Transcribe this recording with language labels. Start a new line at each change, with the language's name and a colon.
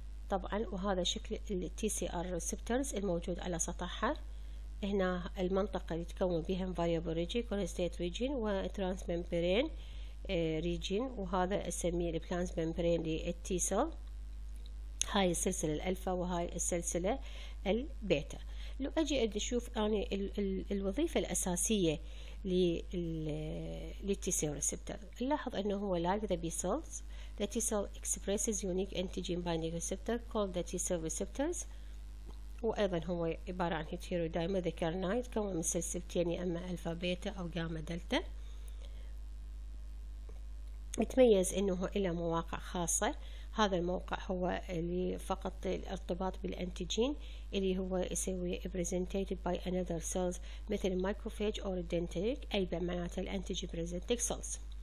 Arabic: طبعا، وهذا شكل التي سي ار ريسبتورز الموجود على سطحها. هنا المنطقة اللي تكون بها
English: variable region, cholestate region
Arabic: و transmembrane region، وهذا اسميه transmembrane للT cell. هاي السلسلة الألفا وهاي السلسلة البيتا. لو أجي أدي أشوف يعني الوظيفة الأساسية للT cell receptor، نلاحظ أنه هو
English: like the B cells, the T cell expresses unique antigen binding receptor called the T cell receptors.
Arabic: وايضا هو عباره عن هيتيرودايما ذكرناه، يتكون من سلسلتين يا اما الفا بيتا او جاما دلتا. يتميز انه الى مواقع خاصه، هذا الموقع هو اللي فقط الارتباط بالانتيجين اللي هو يسوي
English: presented by another cells
Arabic: مثل مايكروفاج اور دنتريك، اي بمعنات الانتيجي بريزنتيك سيلز.